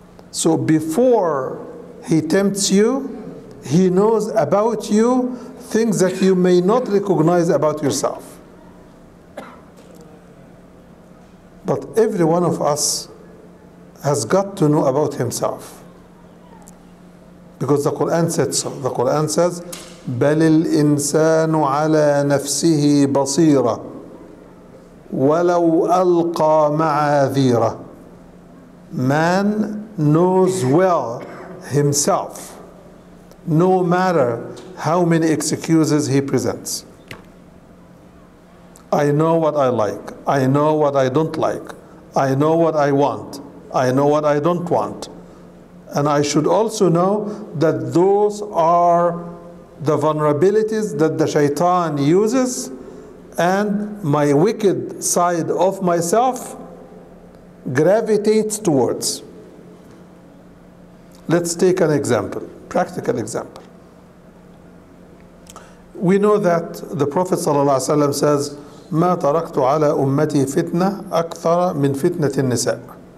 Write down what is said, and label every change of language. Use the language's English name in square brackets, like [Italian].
[English] So before he tempts you, he knows about you things that you may not recognize about yourself. But every one of us has got to know about himself. Because the Quran said so. The Quran says, [Arabic] بَلِ الْإِنسَانُ عَلَى نَفْسِهِ بَصِيرَةً وَلَوْ أَلْقَى مَعَاذِيرَةً. [English] Man knows well himself, no matter how many excuses he presents. I know what I like. I know what I don't like. I know what I want. I know what I don't want. And I should also know that those are the vulnerabilities that the shaitan uses, and my wicked side of myself gravitates towards. Let's take an example, practical example. We know that the Prophet ﷺ says, [Arabic] مَا تَرَكْتُ عَلَىٰ أُمَّتِي فِتْنَةً أَكْثَرَ مِنْ فِتْنَةِ النِّسَاءِ.